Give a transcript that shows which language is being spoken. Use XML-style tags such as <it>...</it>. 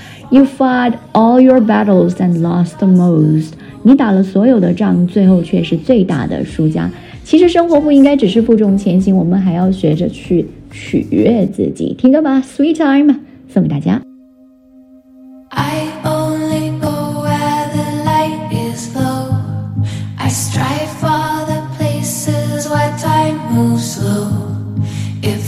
<en>You fought all your battles and lost the most.</en> <zh>你打了所有的仗，最后却是最大的输家。其实生活不应该只是负重前行，我们还要学着去取悦自己。听歌吧 ，Sweet Time 送给大家。</zh> <en>I only go where the light is low. I strive for the places where time moves slow.</en>